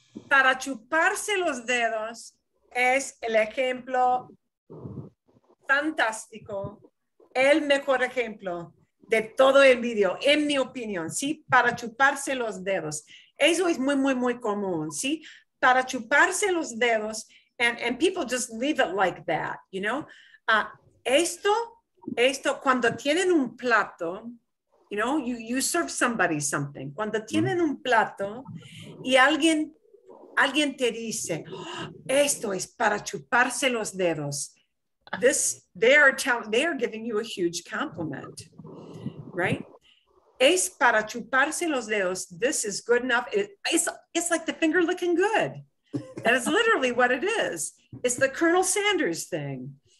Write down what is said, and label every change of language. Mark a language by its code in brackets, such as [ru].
[es] Para chuparse los dedos es el ejemplo fantástico, el mejor ejemplo de todo el video, en mi opinión, ¿sí? Para chuparse los dedos. Eso es muy, muy, muy común, ¿sí? Para chuparse los dedos, [en] and people just leave it like that, you know? [es] Esto, cuando tienen un plato, [en] you know, you serve somebody something. [es] Cuando tienen un plato y alguien te dice, oh, esto es para chuparse los dedos. [en] They are giving you a huge compliment, right? [es] Es para chuparse los dedos. [en] This is good enough. It's like the finger looking good. That is literally what it is. It's the Colonel Sanders thing.